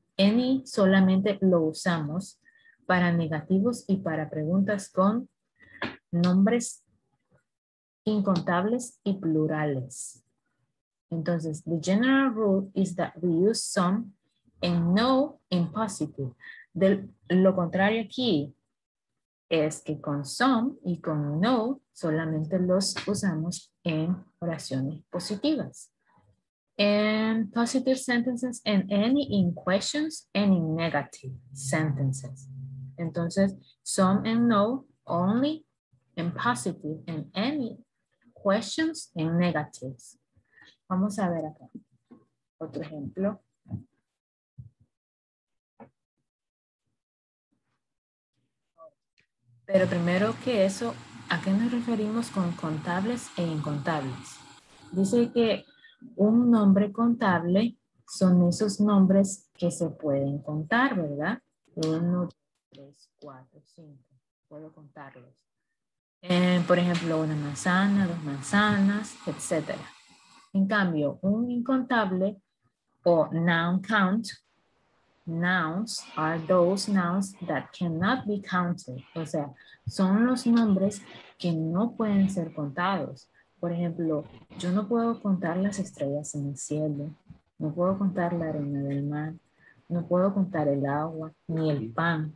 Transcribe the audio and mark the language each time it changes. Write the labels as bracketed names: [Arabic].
[Spanish] Any solamente lo usamos para negativos y para preguntas con nombres incontables y plurales. Entonces, [English] the general rule is that we use some and no in positive. [Spanish] Lo contrario aquí es que con some y con no solamente los usamos en oraciones positivas. [English] In positive sentences and any in questions and in negative sentences. [Spanish] Entonces, [English] some and no only in positive and any questions in negatives. [Spanish] Vamos a ver acá otro ejemplo. Pero primero que eso, ¿a qué nos referimos con contables e incontables? Dice que un nombre contable son esos nombres que se pueden contar, ¿verdad? 1, 2, 3, 4, 5. Puedo contarlos. Por ejemplo, una manzana, dos manzanas, etc. En cambio, un incontable o [English] noun count, nouns are those nouns that cannot be counted. [Spanish] O sea, son los nombres que no pueden ser contados. Por ejemplo, yo no puedo contar las estrellas en el cielo, no puedo contar la arena del mar, no puedo contar el agua, ni el pan.